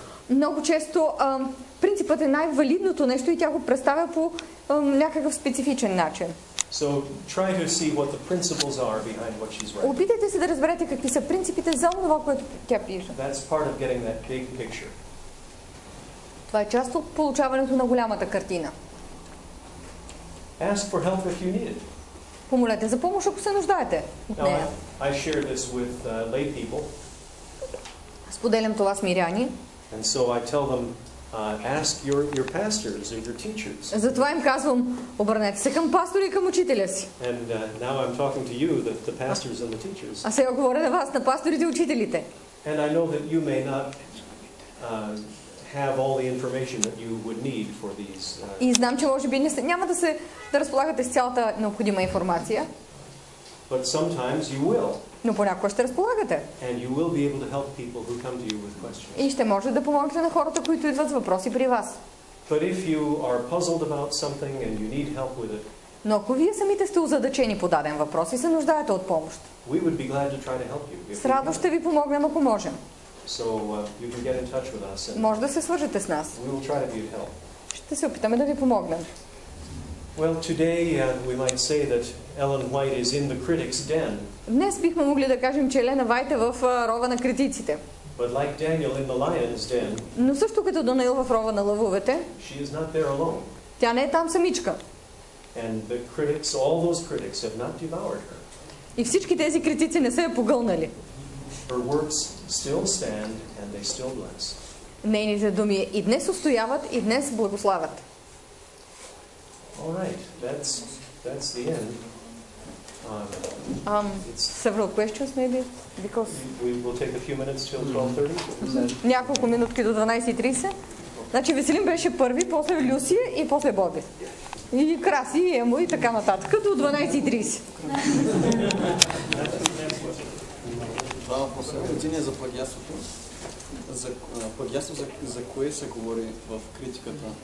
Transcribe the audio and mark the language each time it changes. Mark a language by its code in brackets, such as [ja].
[bg] Много често принципът е най-валидното нещо и тя го представя по някакъв специфичен начин. [en] So try to see what the principles are behind what she's writing. [bg] Опитайте се да разберете какви са принципите за това, което тя пише. [en] That's part of getting that big picture. [bg] Това е част от получаването на голямата картина. [en] Ask for help if you need it. [bg] Помолете за помощ, ако се нуждаете от нея. [en] I share this with lay people. [bg] Споделям това с миряни. [en] And so I tell them, ask your pastors or your teachers. [bg] Затова им казвам, обърнете се към пастори и към учителя си. [en] And now I'm talking to you, the pastors and the teachers. [bg] А сега говоря на вас, на пасторите и учителите. [en] And I know that you may not have all the information that you would need for these. [bg] И знам, че може би няма да се разполагате с цялата необходима информация. [en] But sometimes you will. [bg] Но понякога ще разполагате. [en] And you will be able to help people who come to you with questions. [bg] И ще може да помогнете на хората, които идват с въпроси при вас. [en] But if you are puzzled about something and you need help with it. [bg] Но ако вие самите сте озадачени по даден въпрос и се нуждаете от помощ. [en] We would be glad to try to help you. [bg] С радост ще ви помогнем, ако можем. [en] So you can get in touch with us. [bg] Може да се свържете с нас. [en] We will try to be of help. [bg] Ще се опитаме да ви помогнем. [en] Well, today we might say that Ellen White is in the critic's den. [bg] Днес бихме могли да кажем, че Елена Вайт е в рова на критиците. [en] But like Daniel in the lion's den. [bg] Но също като Даниил в рова на лъвовете. [en] She is not there alone. [bg] Тя не е там самичка. [en] And the critics, all those critics have not devoured her. [bg] И всички тези критици не са я погълнали. [en] Her works still stand and they still bless. [bg] Нейните думи и днес устояват и днес благославят. [en] All right, that's the end. Several questions maybe because we will take a few minutes till 12:30. [bg] Няколко минутки до 12:30. Значи Веселин беше първи, после Люси и после Боби. И Краси, и Емо и така нататък до 12:30. Това после години за плагиатството. За плагиатство за кое се говори в критиката?